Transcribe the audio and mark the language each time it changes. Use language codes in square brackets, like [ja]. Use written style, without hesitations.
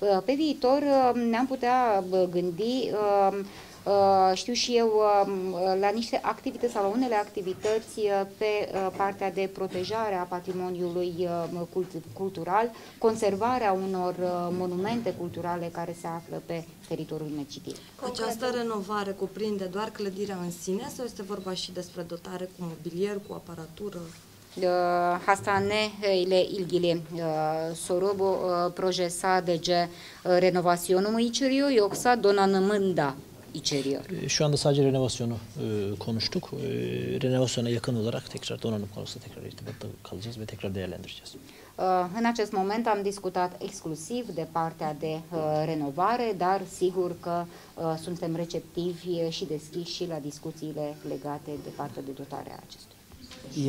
[ro] Pe viitor ne-am putea gândi, știu și eu, la niște activități sau la unele activități pe partea de protejare a patrimoniului cultural, conservarea unor monumente culturale care se află pe teritoriul Medgidiei. Această renovare cuprinde doar clădirea în sine sau este vorba și despre dotare cu mobilier, cu aparatură? [tr] Hastane ile ilgili sorobo projesa dege renovasyonu mu içeriyor yoksa donanımında içeriyor? Şu anda sadece renovasyonu konuştuk. Renovasyona yakın olarak tekrar donanım konusunda tekrar irtibatta kalacağız ve tekrar değerlendireceğiz. [ro] În acest moment am discutat exclusiv de partea de renovare, dar sigur că suntem receptivi și deschiși și la discuțiile legate de partea de dotarea acestui.